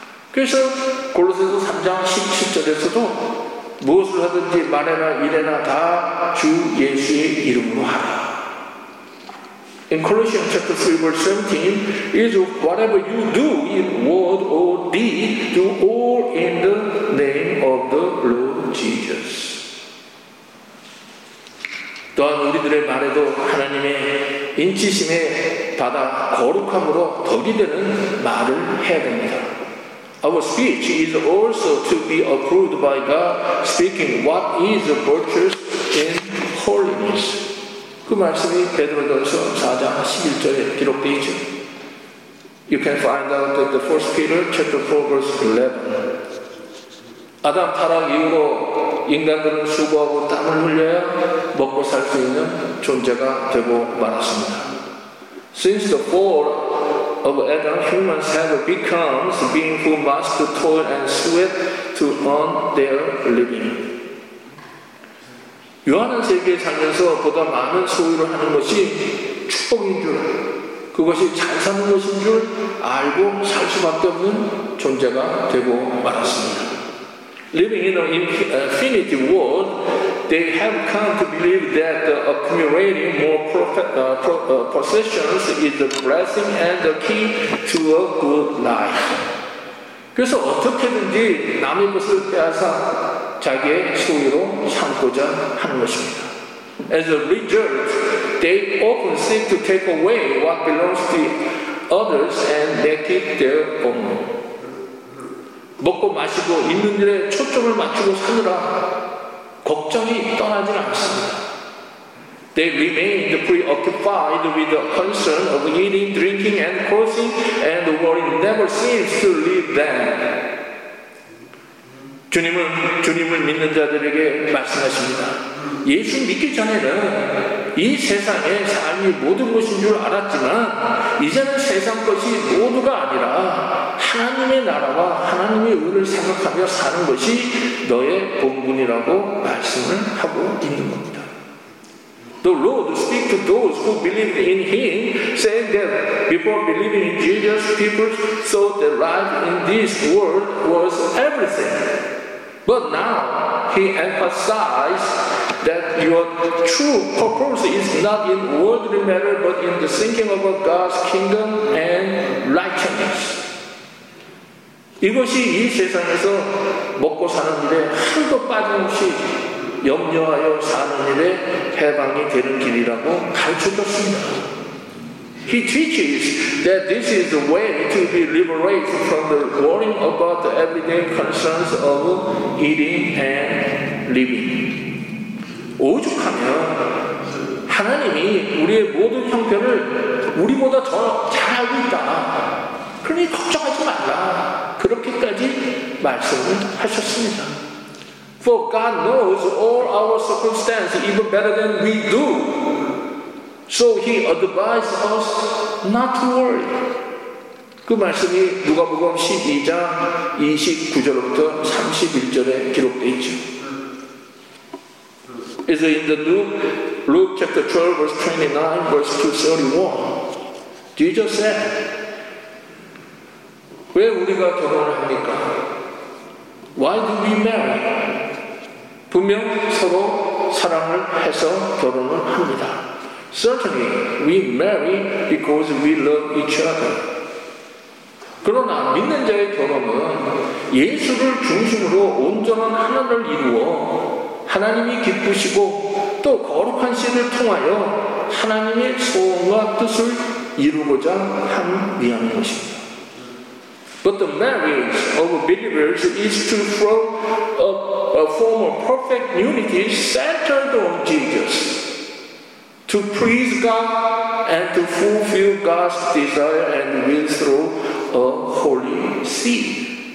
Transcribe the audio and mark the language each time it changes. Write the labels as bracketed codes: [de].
[ko] 그래서 골로새서 3장 17절에서도 무엇을 하든지 말해나 일해나 다 주 예수의 이름으로 하라. [en] In Colossians chapter 3 verse 17 is whatever you do in word or deed, do all in the name of the Lord Jesus. [ko] 또한 우리들의 말에도 하나님의 인치심에 받아 거룩함으로 덕이 되는 말을 해야 됩니다. [en] Our speech is also to be approved by God, speaking what is virtuous in holiness. [ko] 그 말씀이 베드로전서 4장 11절에 기록되어 있죠. [en] You can find out that the 1 Peter chapter 4 verse 11. [ko] 아담 타락 이후로 인간들은 수고하고 땀을 흘려야 먹고 살 수 있는 존재가 되고 말았습니다. [en] Since the fall of Adam, humans have become beings who must toil and sweat to earn their living. [ko] 유한한 세계에 살면서 보다 많은 소유를 하는 것이 축복인 줄, 그것이 잘 사는 것인 줄 알고 살 수밖에 없는 존재가 되고 말았습니다. [en] Living in an infinity world, they have come to believe that accumulating more possessions is a blessing and a key to a good life. [ko] 그래서 어떻게든지 남의 것을 빼앗아 자기의 소유로 삼고자 하는 것입니다. [en] As a result, they often seek to take away what belongs to others and make it their own. [ko] 먹고 마시고 있는 일에 초점을 맞추고 사느라 걱정이 떠나질 않습니다. [en] They remained preoccupied with the concern of eating, drinking, and clothing, and the worry never seems to leave them. [ko] 주님을 믿는 자들에게 말씀하십니다. 예수 믿기 전에는 이 세상의 삶이 모든 것인 줄 알았지만 이제는 세상 것이 모두가 아니라 하나님의 나라와 하나님의 의를 생각하며 사는 것이 너의 본분이라고 말씀을 하고 있는 겁니다. [en] The Lord speaks to those who believed in Him, saying that before believing in Jesus, people thought that life in this world was everything. But now He emphasized that your true purpose is not in worldly matter, but in the thinking of God's kingdom and righteousness. [ko] 이것이 이 세상에서 먹고 사는 일에 하나도 빠짐없이 염려하여 사는 일에 해방이 되는 길이라고 가르쳐줬습니다. [en] He teaches that this is the way to be liberated from the worrying about the everyday concerns of eating and living. [ko] 오죽하면 하나님이 우리의 모든 형편을 우리보다 더 잘 알고 있다. 그러니 걱정하지 말라. 그렇게까지 말씀을 하셨습니다. [en] For God knows all our circumstances even better than we do. So he advised us not to worry. [ko] 그 말씀이 누가복음 12장 29절부터 31절에 기록되어 있죠. [en] Is it in the Luke chapter 12 verse 29 verse 231? Jesus said, [ko] 왜 우리가 결혼을 합니까? [en] Why do we marry? [ko] 분명 서로 사랑을 해서 결혼을 합니다. [en] Certainly, we marry because we love each other. [ko] 그러나 믿는 자의 결혼은 예수를 중심으로 온전한 하나님을 이루어 하나님이 기쁘시고 또 거룩한 신을 통하여 하나님의 소원과 뜻을 이루고자 한 위함인 것입니다. [en] But the marriage of believers is to form a form of perfect unity centered on Jesus, to please God and to fulfill God's desire and will through a holy seed.